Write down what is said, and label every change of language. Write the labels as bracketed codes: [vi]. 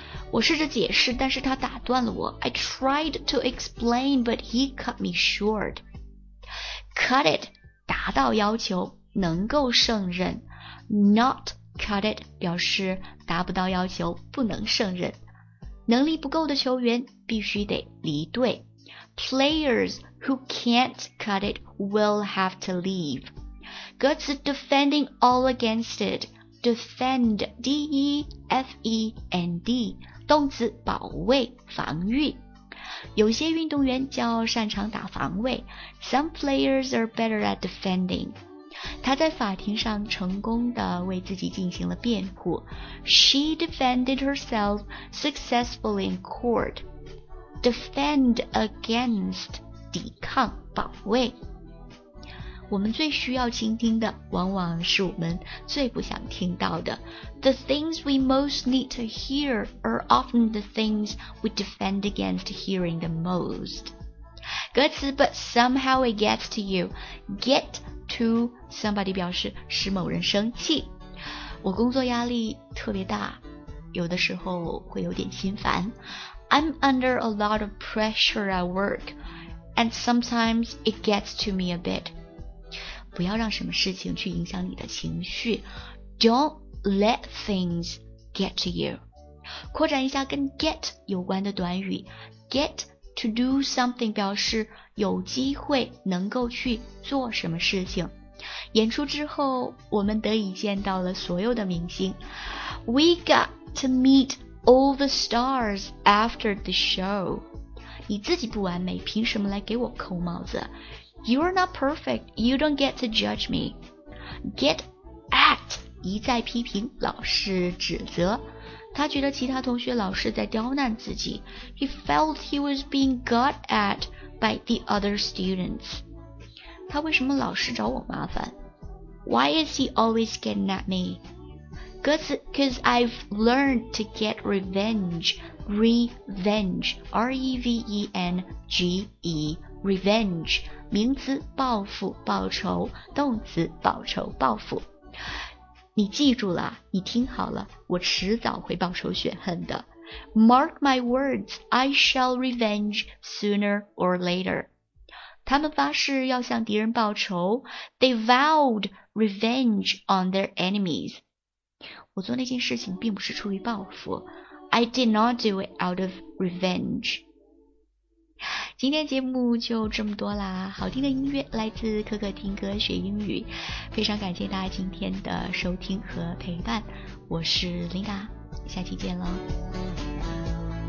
[zh] 我试着解释，但是他打断了我。 [en] I tried to explain, but he cut me short. Cut it， [zh] 达到要求，能够胜任。 [en] Not cut it [zh] 表示达不到要求，不能胜任。能力不够的球员必须得离队。 [en] Players who can't cut it will have to leave. [zh] 歌词 [en] defending all against it. Defend, D-E-F-E-N-D, [zh] 动词保卫防御。有些运动员较擅长打防卫。 [en] Some players are better at defending. [zh] 他在法庭上成功地为自己进行了辩护。 [en] She defended herself successfully in court. Defend against， [zh] 抵抗保卫。我们最需要倾听的往往是我们最不想听到的。 [en] The things we most need to hear are often the things we defend against hearing the most。 [zh] 歌词 [en] But somehow it gets to you， Get to somebody [zh] 表示使某人生气。我工作压力特别大，有的时候会有点心烦。 [en] I'm under a lot of pressure at work, and sometimes it gets to me a bit. [zh] 不要让什么事情去影响你的情绪。 [en] Don't let things get to you. [zh] 扩展一下跟 get 有关的短语。 [en] Get to do something [zh] 表示有机会能够去做什么事情。演出之后，我们得以见到了所有的明星。 [en] We got to meet all the stars after the show. [zh] 你自己不完美，凭什么来给我扣帽子？ [en] You're not perfect, you don't get to judge me. Get at [zh] 一再批评，老是指责。他觉得其他同学老是在刁难自己。 [en] He felt he was being got at by the other students. [zh] 他为什么老是找我麻烦？ [en] Why is he always getting at me? [zh] 歌词 [en] Cause I've learned to get revenge. Revenge, R-E-V-E-N-G-E, revenge, [zh] 名词报复报仇，动词报仇报复。你记住了，你听好了，我迟早会报仇雪恨的。 [en] Mark my words, I shall revenge sooner or later. [zh] 他们发誓要向敌人报仇。 [en] They vowed revenge on their enemies. [zh] 我做那件事情并不是出于报复。 [en] I did not do it out of revenge. [zh] 今天节目就这么多啦，好听的音乐来自可可听歌学英语，非常感谢大家今天的收听和陪伴，我是 Linda， 下期见喽。